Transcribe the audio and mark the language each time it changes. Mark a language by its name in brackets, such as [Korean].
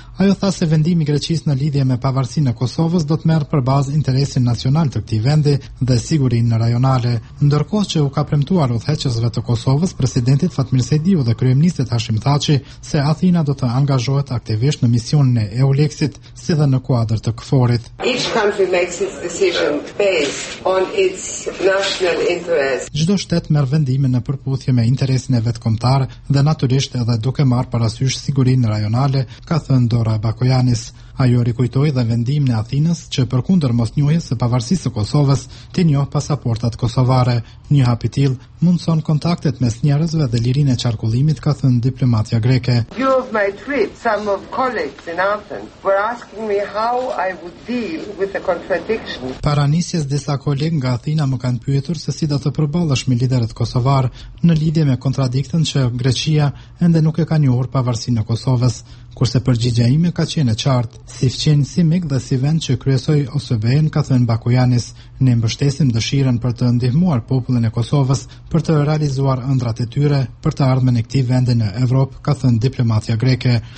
[Albanian] Ajo tha se vendimi i Greqisë në lidhje me pavarësinë e Kosovës do të merr për bazë interesin nacional të këtij vendi dhe sigurinë rajonale. Ndërkohë që u ka premtuar udhëheqësve të Kosovës, presidentit Fatmir Sediu dhe kryeministit Hashim Thaçi, se Athina do të angazhohet aktivisht në misionin e EULEX-it, si dhe në kuadër të KFOR-it. [English] Each country makes its decision based on its national interest. [Albanian] Çdo shtet merr vendimin në përputhje me interesin e vetkombëtar dhe natyrisht edhe duke marr parasysh sigurinë rajonale, ka thënë Dora Bakojanis. Ajo rikujtoi dhe vendimin e Athinës që përkundër mosnjohjes së pavarësisë së Kosovës, të njohë pasaportat kosovare. Një hap i tillë mundson kontaktet mes njerëzve dhe lirinë e qarkullimit, ka thënë diplomatja greke. [English] You have my trip, some of colleagues in Athens were asking me how I would deal with the contradiction. [Albanian] Para nisjes disa kolegë nga Athina më kanë pyetur se si do të përballesh me liderët kosovar në lidhje me kontradiktën që Greqia ende nuk e ka njohur pavarësinë e Kosovës. Kurse përgjigja ime ka qenë e qartë, si fqinë si mik dhe si vend që kryesoj OSBE-n, ka thënë Bakojanis, ne mbështesim dëshirën për të ndihmuar popullin e Kosovës, për të realizuar ëndrat e tyre, për të ardhmen e këtij vendi në Evropë, ka thënë diplomatja greke.